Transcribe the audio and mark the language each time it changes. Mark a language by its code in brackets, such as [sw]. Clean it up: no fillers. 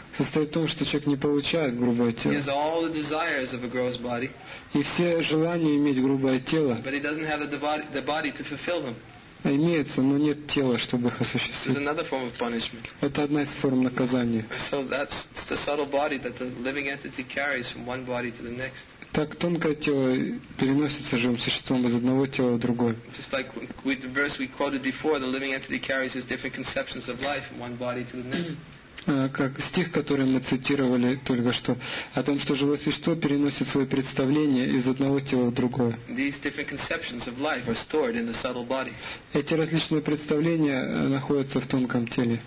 [ru] состоит в том, что человек не получает грубое тело. [en] He has all the desires of a gross body, [ru] и все желания иметь грубое тело, [en] but he doesn't have the body to fulfill them. [ru] Имеется, но нет тела, чтобы их осуществить. [en] There's another form of punishment. [ru] Это одна из форм наказания. [en] So that's the subtle body that the living entity carries from one body to the next. [ru] Так тонкое тело переносится живым существом из одного тела в другое. [en] Just like with the verse we quoted before, the living entity carries his different conceptions of life from one body to the next. [ru] Как стих, который мы цитировали только что, о том, что живое существо переносит свои представления из одного тела в другое. [en] These different conceptions of life are stored in the subtle body. [ru] Эти различные представления находятся в тонком теле.